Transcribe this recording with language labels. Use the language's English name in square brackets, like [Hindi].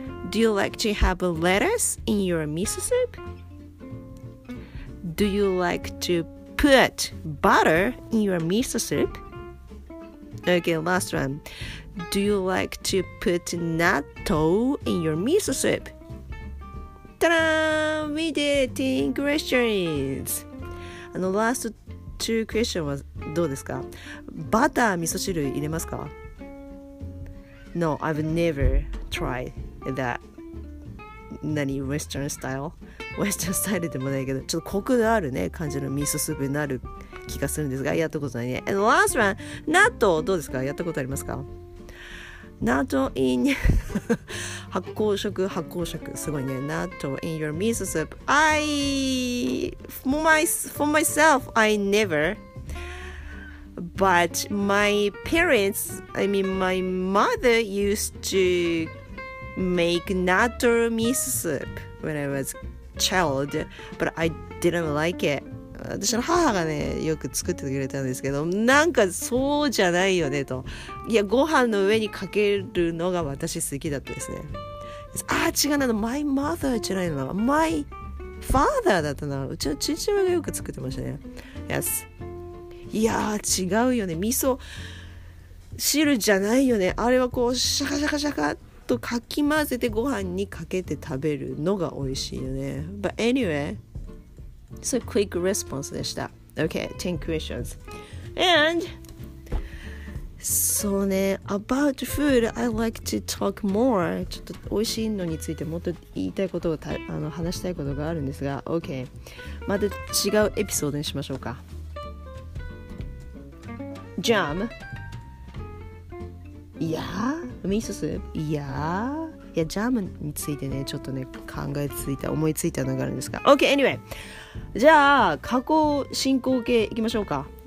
[English] Do you like to have lettuce in your miso soup? Do you like to put butter in your miso soup? Okay, last one. Do you like to put natto in your miso soup? Ta-da! We did it! Congratulations! [Japanese] ラスト2クエスチョンはどうですか、バター味噌汁入れますか。 [English] No, I've never tried that [Japanese] 何 Western style Western style でもないけど、ちょっとコクのあるね感じの味噌スープになる気がするんですが、やったことないね。 [English] And last one, [Japanese] 納豆どうですか、やったことありますか。納豆 in 発酵食、発酵食すごいね、納豆 [English] in your miso soup。 For myself I never, but my parents, I mean my mother used to make 納豆 miso soup when I was child, but I didn't like it。 [Japanese] 私の母がねよく作ってくれたんですけど、なんかそうじゃないよねと、いやご飯の上にかけるのが私好きだったですね。あ違うなの、 [English] my mother [Japanese] じゃないの、 [English] myfather [Japanese] だったな、うちの父親がよく作ってましたね。 [English] Yes。 [Japanese] いやー違うよね、味噌汁じゃないよね、あれはこうシャカシャカシャカとかき混ぜてご飯にかけて食べるのが美味しいよね。 [English] But anyway, so quick response [Japanese] でした。 [English] Okay, 10 questions. And so ね、 about food, I like to talk more. [Japanese] ちょっと美味しいのについてもっと言いたいことを話したいことがあるんですが、 OK、 また違うエピソードにしましょうか。 [English] Jam? [Japanese] いや味噌スープ、いやーいや、ジャムについてねちょっとね考えついた、思いついたのがあるんですが、 [English] OK anyway、 [Japanese] じゃあ過去進行形いきましょうか。